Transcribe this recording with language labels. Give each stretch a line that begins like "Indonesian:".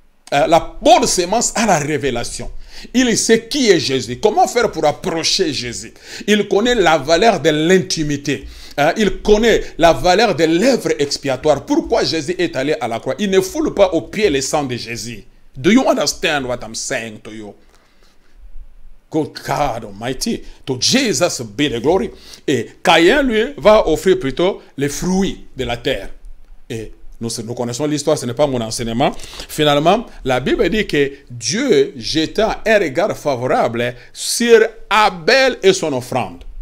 French: La bonne semence a la révélation. Il sait qui est Jésus. Comment faire pour approcher Jésus? Il connaît la valeur de l'intimité. Il connaît la valeur de l'œuvre expiatoire. Pourquoi Jésus est allé à la croix? Il ne foule pas aux pieds le sang de Jésus.
English: Do you understand what I'm saying to you? Good God Almighty, to Jesus be the glory.
French: Et Caïn, lui, va offrir plutôt les fruits de la terre. Et nous connaissons l'histoire, ce n'est pas mon enseignement. Finalement, la Bible dit que Dieu jeta un regard favorable sur Abel et son offrande.